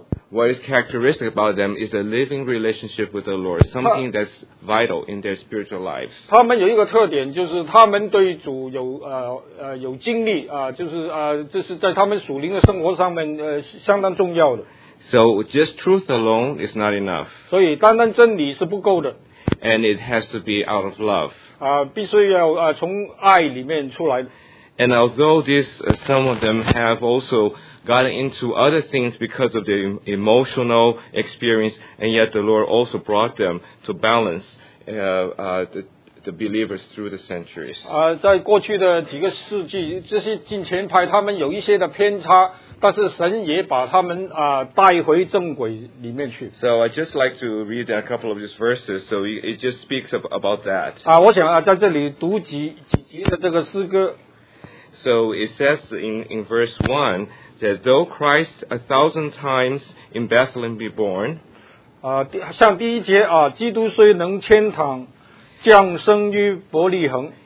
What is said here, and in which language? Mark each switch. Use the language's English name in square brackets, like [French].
[English] What is characteristic about them is the living relationship with the Lord, something that's vital in their spiritual lives. [Chinese] 他们有一个特点，就是他们对主有经历就是这是在他们属灵的生活上面相当重要的。 [English] So just truth alone is not enough. [Chinese] 所以单单真理是不够的。 [English] And it has to be out of love. [Chinese] 必须要从爱里面出来。 [English] And although this, some of them have also gotten into other things because of their emotional experience, and yet the Lord also brought them to balance the believers through the centuries. [Chinese] 在过去的几个世纪，这些进前派他们有一些的偏差，但是神也把他们带回正轨里面去。 [English] So I just like to read a couple of these verses, so it just speaks about that. [Chinese] 我想在这里读几节的这个诗歌。 [English] So it says in verse 1 that though Christ 1,000 times in Bethlehem be born, [Chinese] 像第一节基督虽能千躺降生于伯利恒，